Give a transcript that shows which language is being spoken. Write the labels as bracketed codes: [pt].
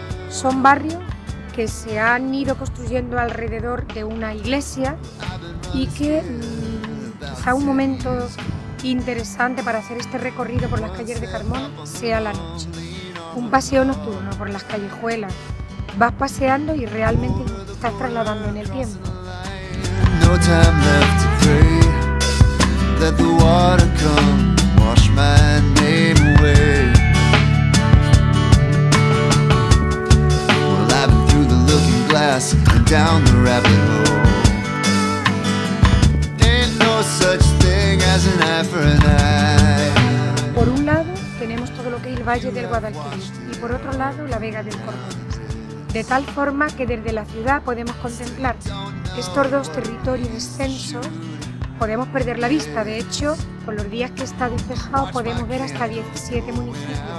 [es] Son barrios que se han ido construyendo alrededor de una iglesia y que quizá un momento interesante para hacer este recorrido por las calles de Carmona sea la noche. Un paseo nocturno por las callejuelas. Vas paseando y realmente estás trasladando en el tiempo. [en] No time left to pray. Let the water come, wash my name away. Well, I've been through the looking glass and down the rabbit hole. Ain't no such thing as an eye for an eye. [es] Por un lado tenemos todo lo que es el Valle del Guadalquivir y por otro lado la Vega del Cormoranes. De tal forma que desde la ciudad podemos contemplar estos dos territorios extensos, podemos perder la vista. De hecho, por los días que está despejado podemos ver hasta 17 municipios.